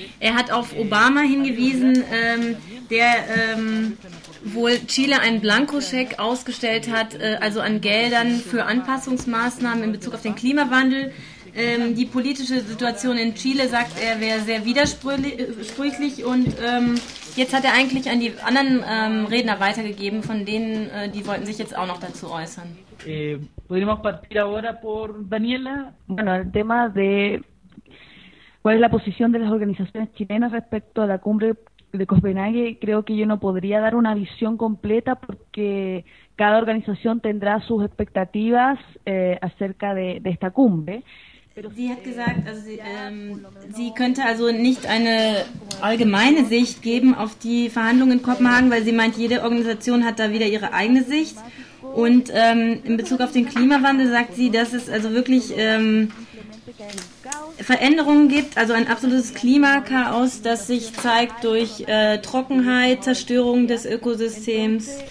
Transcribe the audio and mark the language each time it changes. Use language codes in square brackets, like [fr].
[de] Er hat auf Obama hingewiesen, der wohl Chile einen Blankoscheck ausgestellt hat, also an Geldern für Anpassungsmaßnahmen in Bezug auf den Klimawandel. Die politische Situation in Chile, sagt er, wäre sehr widersprüchlich und jetzt hat er eigentlich an die anderen Redner weitergegeben, von denen, die wollten sich jetzt auch noch dazu äußern. [es] Podríamos partir ahora por Daniela. Bueno, el tema de cuál es la posición de las organizaciones chilenas respecto a la cumbre de Copenhague, creo que yo no podría dar una visión completa porque cada organización tendrá sus expectativas acerca de esta cumbre. [de] Sie hat gesagt, also sie könnte also nicht eine allgemeine Sicht geben auf die Verhandlungen in Kopenhagen, weil sie meint, jede Organisation hat da wieder ihre eigene Sicht. Und in Bezug auf den Klimawandel sagt sie, dass es also wirklich Veränderungen gibt, also ein absolutes Klimakaos, das sich zeigt durch Trockenheit, Zerstörung des Ökosystems.